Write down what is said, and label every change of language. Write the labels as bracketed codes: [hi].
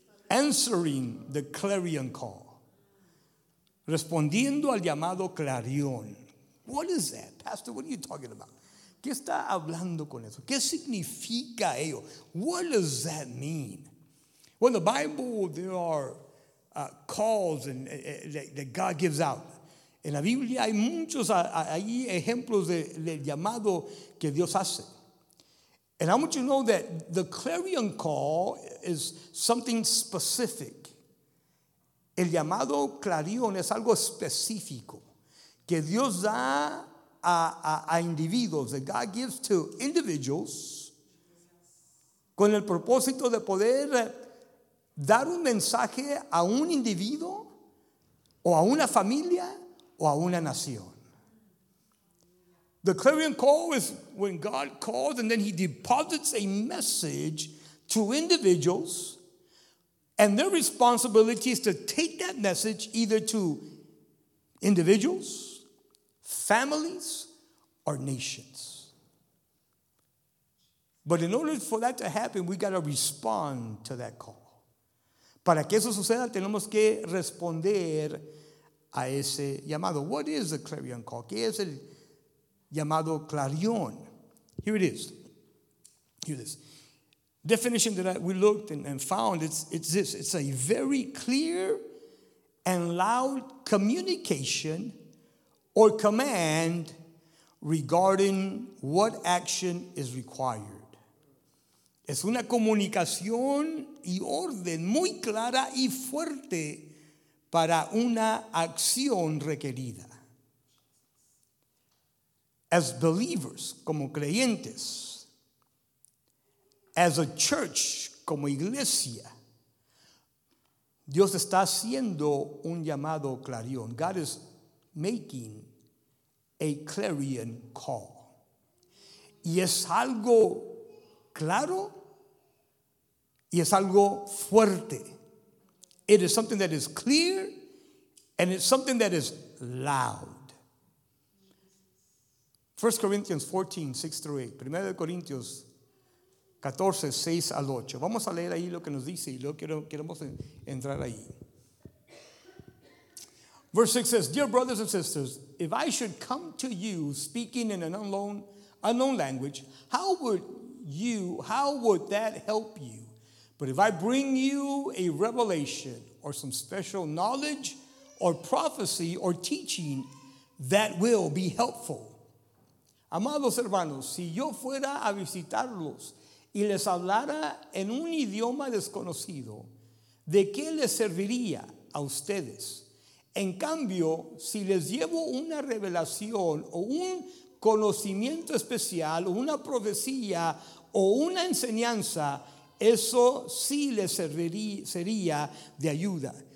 [en] Answering the Clarion call. [es] Respondiendo al llamado Clarion. [en] What is that, Pastor? What are you talking about? [es] ¿Qué está hablando con eso? ¿Qué significa ello? [en] What does that mean? Well, the Bible, there are calls and that God gives out. [es] En la Biblia hay muchos ahí ejemplos del llamado que Dios hace. [en] And I want you to know that the Clarion call is something specific. [es] El llamado Clarion es algo específico que Dios da a individuos, [en] that God gives to individuals, [es] con el propósito de poder dar un mensaje a un individuo o a una familia o a una nación. [en] The Clarion call is when God calls and then he deposits a message to individuals, and their responsibility is to take that message either to individuals, families, or nations. But in order for that to happen, we got to respond to that call. [es] Para que eso suceda, tenemos que responder a ese llamado. [en] What is the Clarion call? [es] ¿Qué es el llamado Clarion? [en] Here it is. Here it is. Definition that we looked and found, it's this. It's a very clear and loud communication or command regarding what action is required. [es] Es una comunicación y orden muy clara y fuerte para una acción requerida. [en] As believers, [es] como creyentes, [en] as a church, [es] como iglesia, Dios está haciendo un llamado Clarion. [en] God is making a Clarion call. [es] Y es algo claro y es algo fuerte. [en] It is something that is clear and it's something that is loud. 1 Corinthians 14, 6 through 8. 1 Corinthians 14, 6 al 8. [es] Vamos a leer ahí lo que nos dice y luego queremos entrar ahí. [en] Verse 6 says, dear brothers and sisters, if I should come to you speaking in an unknown language, how would that help you? But if I bring you a revelation or some special knowledge or prophecy or teaching, that will be helpful. [es] Amados hermanos, si yo fuera a visitarlos y les hablara en un idioma desconocido, ¿de qué les serviría a ustedes? En cambio, si les llevo una revelación o un conocimiento especial o una profecía o una enseñanza, eso sí les sería de ayuda.